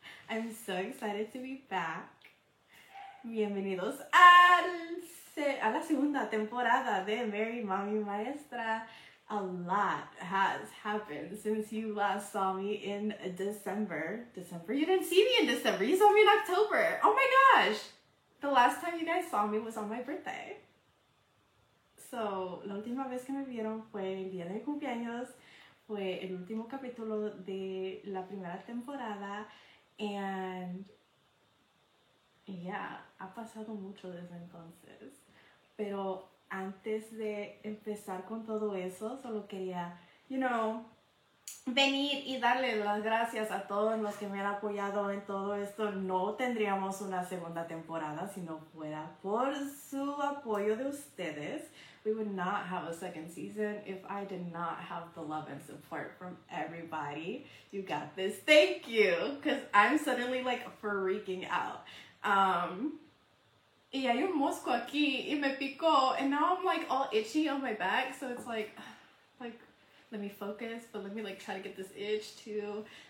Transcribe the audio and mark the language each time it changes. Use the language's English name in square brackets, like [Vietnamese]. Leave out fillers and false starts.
[English] I'm so excited to be back. [Spanish] Bienvenidos a la segunda temporada de [English] Married Mommy Maestra. A lot has happened since you last saw me in December. December? You didn't see me in December. You saw me in October. Oh my gosh! The last time you guys saw me was on my birthday. [Spanish] So, la última vez que me vieron fue el día de cumpleaños. Fue el último capítulo de la primera temporada. [English] And, yeah, [Spanish] ha pasado mucho desde entonces. Pero antes de empezar con todo eso, solo quería, [English] you know, [Spanish] venir y darle las gracias a todos los que me han apoyado en todo esto. No tendríamos una segunda temporada si no fuera por su apoyo de ustedes. [English] We would not have a second season if I did not have the love and support from everybody. You got this. Thank you. Because I'm suddenly like freaking out. [Spanish] Y hay un mosco aquí y me picó. [English] And now I'm like all itchy on my back. So it's like, let me focus, but let me like try to get this itch too.